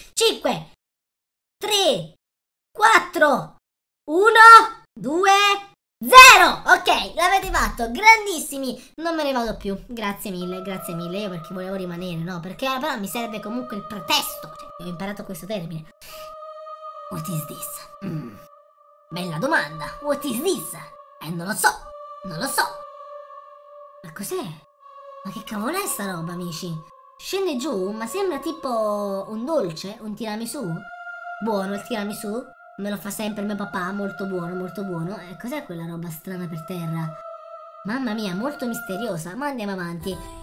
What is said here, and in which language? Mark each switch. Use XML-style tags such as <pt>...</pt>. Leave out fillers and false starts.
<it>5, 3, 4, 1, 2, 0! Ok, l'avete fatto, grandissimi! Non me ne vado più, grazie mille, io perché volevo rimanere, no? Perché però mi serve comunque il pretesto, cioè, ho imparato questo termine.</it> <en>What is this?</en> <it>Bella domanda,</it> <en>what is this?</en> <it>Non lo so! Ma cos'è? Ma che cavolo è sta roba, amici? Scende giù, ma sembra tipo un dolce, un tiramisù? Buono il tiramisù? Me lo fa sempre mio papà, molto buono. Cos'è quella roba strana per terra? Mamma mia, molto misteriosa. Ma andiamo avanti.</it>